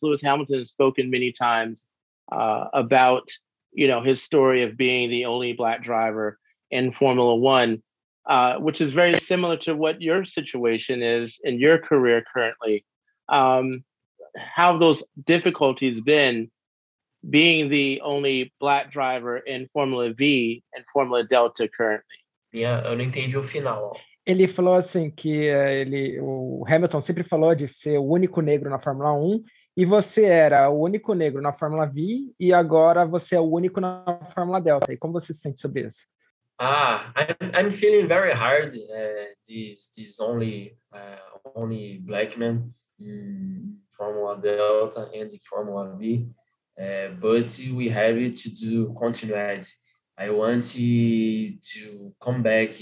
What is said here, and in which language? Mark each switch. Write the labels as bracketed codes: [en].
[en] Lewis Hamilton has spoken many times about you know his story of being the only Black driver in Formula One, which is very similar to what your situation is in your career currently. How have those difficulties been being the only Black driver in Formula V and Formula Delta currently? [pt] Yeah, eu não entendi o final. Ele falou assim que ele, o Hamilton sempre falou de ser o único negro na Fórmula 1 e você era o único negro na Fórmula V e agora você é o único na Fórmula Delta. E como você se sente sobre isso? [en] Ah, I'm feeling very hard. This only Black man in Formula Delta and in Formula V. But we have it to do continued. I want to come back.